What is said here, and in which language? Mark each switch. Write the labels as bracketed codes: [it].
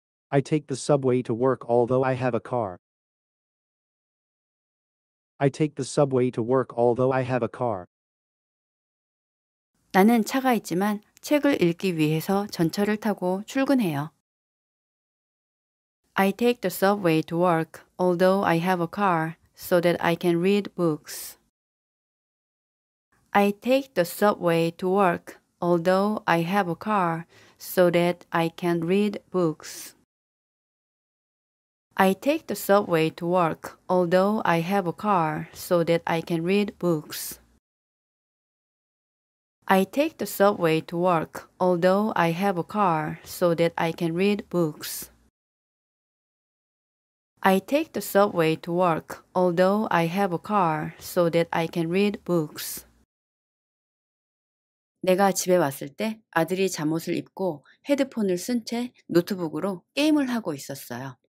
[en] I take the subway to work, although I have a car. I take the subway to work, although I have a car. [ko] 나는 차가 있지만 책을 읽기 위해서 전철을 타고 출근해요. [en] I take the subway to work, although I have a car, so that I can read books. I take the subway to work, although I have a car, so that I can read books. I take the subway to work, although I have a car, so that I can read books. I take the subway to work, although I have a car, so that I can read books. I take the subway to work, although I have a car, so that I can read books. [ko] 내가 집에 왔을 때 아들이 잠옷을 입고 헤드폰을 쓴 채 노트북으로 게임을 하고 있었어요.